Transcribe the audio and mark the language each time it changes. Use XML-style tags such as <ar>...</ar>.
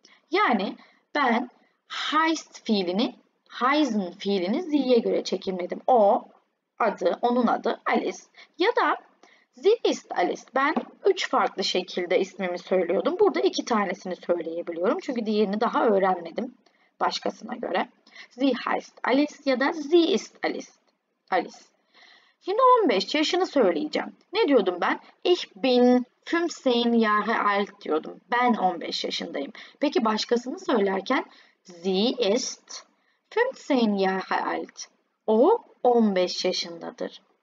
<tr>Yani ben heißen fiilini sie'ye göre çekimledim. O adı, onun adı Alice. Ya da</tr> <de>sie ist Alice.</de> <tr>Ben üç farklı şekilde ismimi söylüyordum. Burada iki tanesini söyleyebiliyorum. Çünkü diğerini daha öğrenmedim başkasına göre.</tr> <de>Sie heißt Alice</de> <tr>ya da</tr> <de>sie ist Alice.</de> <tr>Şimdi 15 yaşını söyleyeceğim. Ne diyordum ben?</tr> <de>Ich bin 15 Jahre alt</de> <tr>diyordum. Ben 15 yaşındayım. Peki başkasını söylerken</tr> <de>sie ist 15 Jahre alt.</de> <tr>O 15 yaşındadır.</tr>